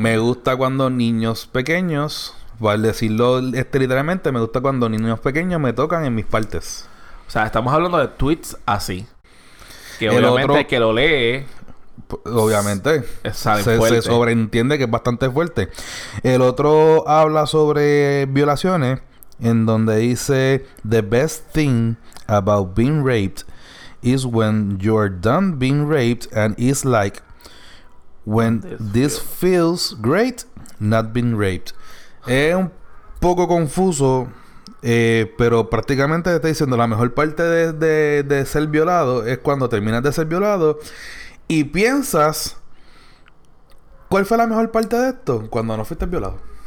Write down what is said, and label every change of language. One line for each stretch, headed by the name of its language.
Spanish: Me gusta cuando niños pequeños, al decirlo literalmente, me gusta cuando niños pequeños me tocan en mis partes. O sea, estamos hablando de tweets así. Que el obviamente otro, que lo lee, obviamente se sobreentiende que es bastante fuerte. El otro habla sobre violaciones, en donde dice:
English: the best thing about being raped is when you're done being raped and it's like when this feels great not being raped.
Spanish: Es un poco confuso, pero prácticamente está diciendo la mejor parte de ser violado es cuando terminas de ser violado y piensas, ¿cuál fue la mejor parte de esto? Cuando no fuiste violado.